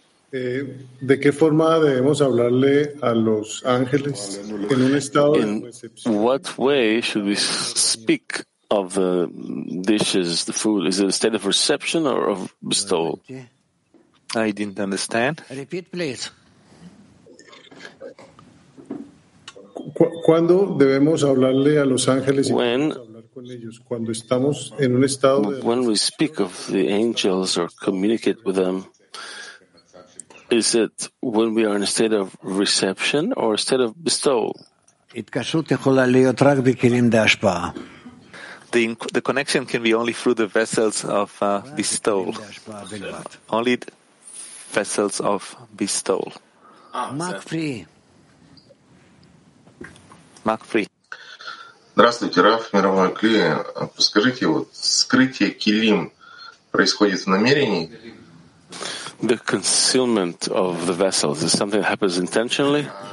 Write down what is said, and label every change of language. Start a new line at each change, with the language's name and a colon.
Spanish: ¿De qué forma debemos hablarle a los ángeles en un estado de recepción?
English: What way should we speak of the dishes, the food? Is it a state of reception or of bestowal? I didn't understand. Repeat, please.
Spanish: ¿Cuándo debemos hablarle a los ángeles?
English: When?
Spanish: Cuando estamos en un estado.
English: When we speak of the angels or communicate with them, is it when we are in a state of reception or a state of bestowal?
Hebrew: התקשרות יכולה להיות רק בכלים דהשפעה.
English: The connection can be only through the vessels of bestowal. Only vessels of bestowal. Mark free.
Russian: Здравствуйте, Раф, мировой кли. Подскажите, вот скрытие килим происходит в намерении?
English: The concealment of the vessels is something that happens intentionally?